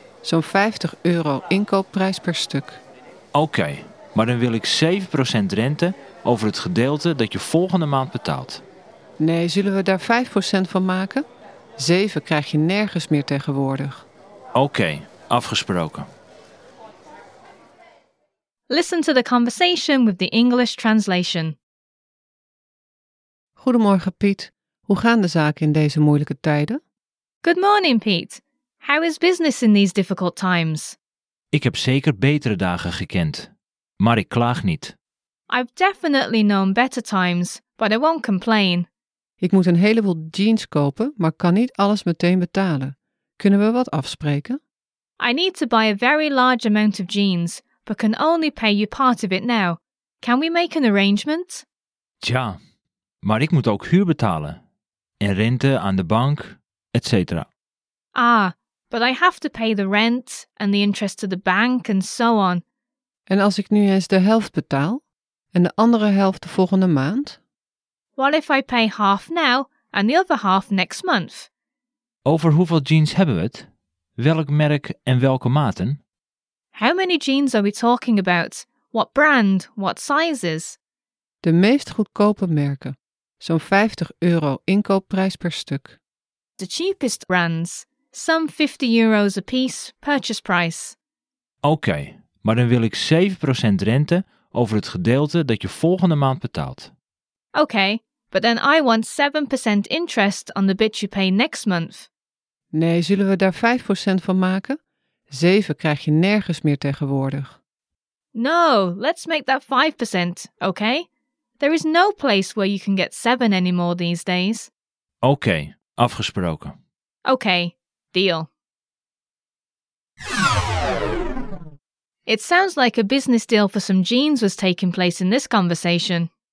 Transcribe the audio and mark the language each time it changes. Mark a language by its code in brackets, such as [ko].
[nl] Zo'n 50 euro inkoopprijs per stuk. Oké, maar dan wil ik 7% rente over het gedeelte dat je volgende maand betaalt. Nee, zullen we daar 5% van maken? 7 krijg je nergens meer tegenwoordig. Oké, afgesproken. [en] Listen to the conversation with the English translation. [nl] Goedemorgen Piet, hoe gaan de zaken in deze moeilijke tijden? [en] Good morning, Pete. How is business in these difficult times? [nl] Ik heb zeker betere dagen gekend, maar ik klaag niet. [en] I've definitely known better times, but I won't complain. [nl] Ik moet een heleboel jeans kopen, maar kan niet alles meteen betalen. Kunnen we wat afspreken? [en] I need to buy a very large amount of jeans, but can only pay you part of it now. Can we make an arrangement? [nl] Tja, maar ik moet ook huur betalen en rente aan de bank. [en] Etc. Ah, but I have to pay the rent and the interest to the bank and so on. [nl] En als ik nu eens de helft betaal en de andere helft de volgende maand? [en] What if I pay half now and the other half next month? [nl] Over hoeveel jeans hebben we het? Welk merk en welke maten? [en] How many jeans are we talking about? What brand? What sizes? [nl] De meest goedkope merken. Zo'n 50 euro inkoopprijs per stuk. [en] The cheapest brands, some 50 euros a piece, purchase price. [nl] Oké, maar dan wil ik 7% rente over het gedeelte dat je volgende maand betaalt. [en] Oké, but then I want 7% interest on the bit you pay next month. [nl] Nee, zullen we daar 5% van maken? 7 krijg je nergens meer tegenwoordig. [en] No, let's make that 5%, okay? There is no place where you can get 7 anymore these days. [nl] Oké. Afgesproken. [en] Oké, deal. It sounds like a business deal for some jeans was taking place in this conversation.